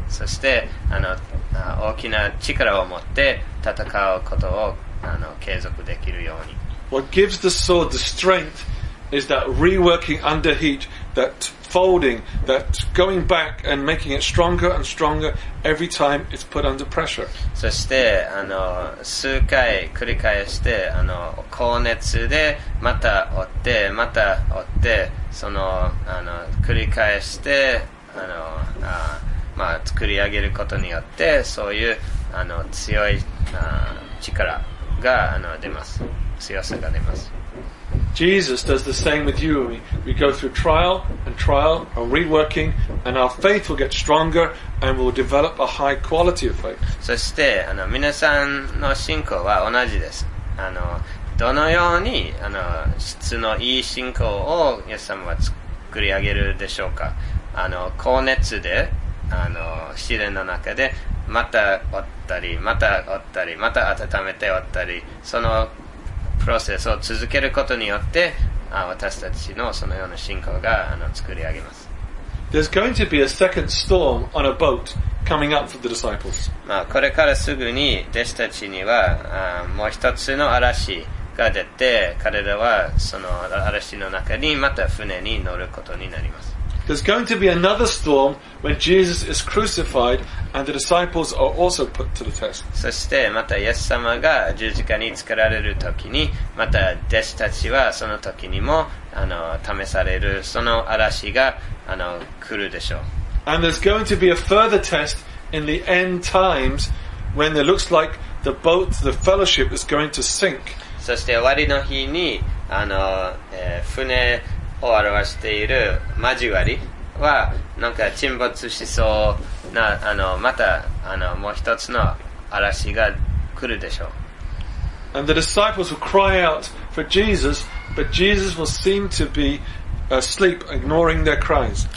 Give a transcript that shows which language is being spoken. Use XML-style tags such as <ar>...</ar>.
<ja>そしてあの大きな力を持って戦うことをあの継続できるように。</ja> <en>What gives the sword the strength is that reworking under heat, that folding, that going back and making it stronger and stronger every time it's put under pressure.</en> <ja>そしてあの数回繰り返してあの高熱でまた折ってまた折ってそのあの繰り返してあのあまあ作り上げることによってそういうあの強いあ力があの出ます。強さが出ます。</ja> <en>Jesus does the same with you and me. We go through trial and trial and reworking and our faith will get stronger and we'll develop a high quality of faith.</en> <ja>そしてあの皆さんの信仰は同じです。あのどのようにあの質のいい信仰をイエス様は作り上げるでしょうか。あの高熱であの試練の中でまた折ったりまた折ったりまた温めて折ったりそのプロセスを続けることによってあ私たちのそのような信仰があの作り上げます。</ja> <en>There's going to be a second storm on a boat coming up for the disciples.</en> <ja>まあこれからすぐに弟子たちにはあもう一つの嵐が出て彼らはその嵐の中にまた船に乗ることになります。</ja> <en>There's going to be another storm when Jesus is crucified and the disciples are also put to the test.</en> <ja>そしてまたイエス様が十字架につけられる時にまた弟子たちはその時にもあの試されるその嵐があの来るでしょう。</ja> <en>And there's going to be a further test in the end times when it looks like the boat, the fellowship is going to sink.</en> <ja>そして終わりの日にあの、船を表している交わりはなんか沈没しそうなあのまたあのもう一つの嵐が来るでしょう。</ja> <en>And the disciples will cry out for Jesus, but Jesus will seem to be asleep, ignoring their cries.</en>